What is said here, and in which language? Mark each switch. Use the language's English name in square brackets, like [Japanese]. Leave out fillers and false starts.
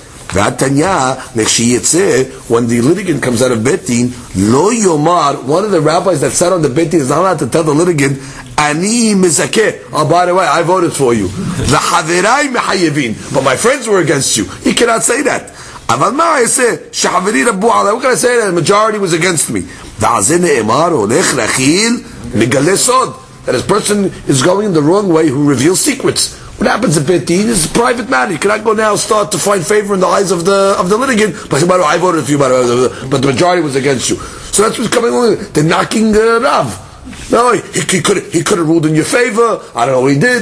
[Hebrew] Vatanya nechshiyetze, [English] when the litigant comes out of Betin, [Hebrew] lo yomar, [English] one of the rabbis that sat on the Betin is not allowed to tell the litigant, [Hebrew] ani mizakeh. [English] Oh, by the way, I voted for you. [Hebrew] Lachaverai mechayevin, [English] but my friends were against you. He cannot say that. [Hebrew] אבל מה יעשה? שחברי רבו עליו, [English] what can I say? The majority was against me. [Hebrew] ועזה נאמר, הולך רכיל, מגלה סוד. [English] That this person is going the wrong way who reveals secrets. What happens at Betin is a private matter. You cannot go now start to find favor in the eyes of the litigant. But say, I voted for you, but the majority was against you. So that's what's coming along. They're knocking Rav. No, he could have ruled in your favor. I don't know what he did.